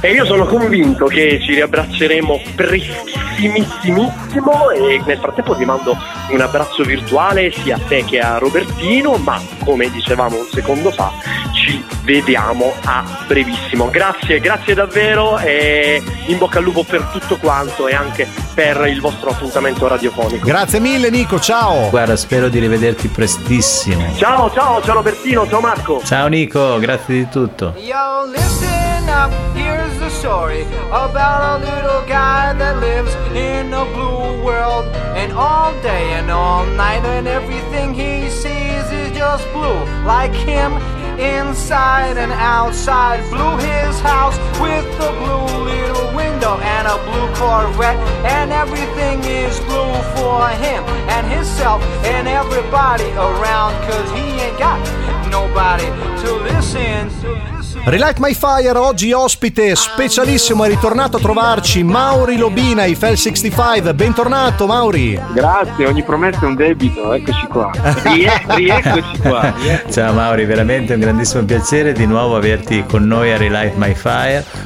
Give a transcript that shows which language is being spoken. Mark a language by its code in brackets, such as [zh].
[it] E io sono convinto che ci riabbracceremo prestissimissimo e nel frattempo vi mando un abbraccio virtuale sia a te che a Robertino, ma come dicevamo un secondo fa ci vediamo a brevissimo. Grazie, grazie davvero e in bocca al lupo per tutto quanto e anche per il vostro appuntamento radiofonico. Grazie mille Nico, ciao. Guarda, spero di rivederti prestissimo. Ciao, ciao, ciao Robertino, ciao Marco. Ciao Nico, grazie di tutto. [en] Yo, listen up, here's the story about a little guy that lives in a blue world, and all day and all night and everything he sees is just blue, like him inside and outside. Blue his house with a blue little window and a blue Corvette, and everything is blue for him and himself and everybody around, 'cause he ain't got nobody to listen to. [it] Relight My Fire, oggi ospite specialissimo, è ritornato a trovarci Mauri Lobina, i Fell 65. Bentornato Mauri. Grazie, ogni promessa è un debito, eccoci qua. Rieccoci qua. Ciao Mauri, veramente un grandissimo piacere di nuovo averti con noi a Relight My Fire.